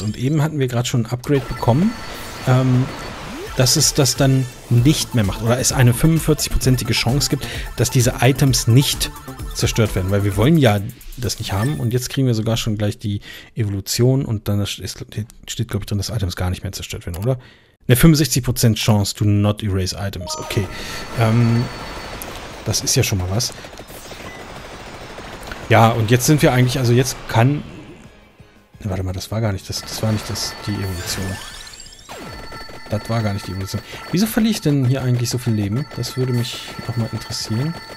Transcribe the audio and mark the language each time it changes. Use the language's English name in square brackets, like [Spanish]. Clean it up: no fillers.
[German] Und eben hatten wir gerade schon ein Upgrade bekommen, dass es das dann nicht mehr macht. Oder es eine 45%ige Chance gibt, dass diese Items nicht zerstört werden. Weil wir wollen ja das nicht haben. Und jetzt kriegen wir sogar schon gleich die Evolution. Und dann steht, glaube ich, drin, dass Items gar nicht mehr zerstört werden, oder? Eine [English] 65% Chance to not erase Items. [German] Okay. Das ist ja schon mal was. Ja, und jetzt sind wir eigentlich, also jetzt kann... Warte mal, das war gar nicht das. Das war nicht das, die Evolution. Das war gar nicht die Evolution. Wieso verliere ich denn hier eigentlich so viel Leben? Das würde mich nochmal interessieren.